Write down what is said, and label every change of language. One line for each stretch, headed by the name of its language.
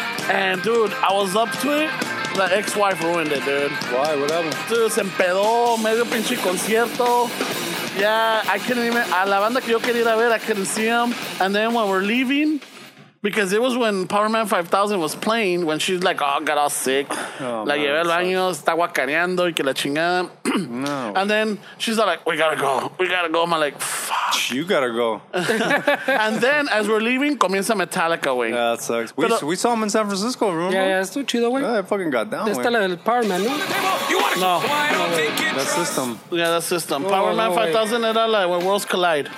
English: And dude, I was up to it. The ex-wife ruined it, dude. Why? What happened?
Spanish: Dude, se empedó. Medio pinche concierto.
English: Yeah, I couldn't even.
Spanish: A la banda que yo quería ir a ver,
English: I couldn't see them. And then when we're leaving, because it was when Power Man 5000 was playing, when she's like, oh, got all sick. Oh,
Spanish: la llevé al baño, está guacareando y que la chingada. No.
English: And then she's like, we gotta go. We gotta go. I'm like, fuck. You gotta go. And then as we're leaving,
Spanish: comienza
English: Metallica, güey. Yeah, that sucks. We saw him in San Francisco, remember? Yeah, it's too chido, güey. Yeah, I fucking got down.
Spanish: Está la del Power Man, no? No.
English: That System. Yeah, that System. Oh, Power Man 5000
Spanish: era la
English: when worlds collide.